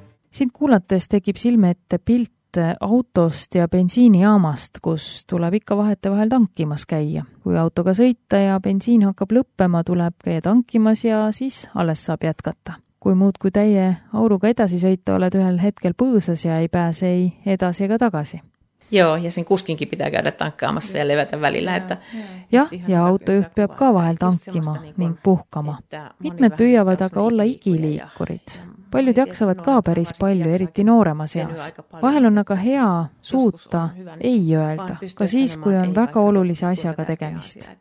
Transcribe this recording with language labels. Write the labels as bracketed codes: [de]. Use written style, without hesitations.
[et] Siin kuulates tekib silme ette pilt autost ja bensiinijaamast, kus tuleb ikka vahete vahel tankimas käia. Kui autoga sõita ja bensiin hakkab lõppema, tuleb käia tankimas ja siis alles saab jätkata. Kui muud kui täie auruga edasi sõita, oled ühel hetkel põõsas ja ei pääse ei edasi ega tagasi. [fi] Joo, ja siin kuskinkin pitää käydä tankkaamassa ja levätä välillä. Että [et] ja autojuht peab ka vahel tankkima ning puhkama. Mitmed püüavad aga olla igiliikurid. Paljud jaksavad ka päris palju, eriti noorema seas. Vahel on aga hea suuta ei öelda, ka siis, kui on väga olulise asjaga tegemist.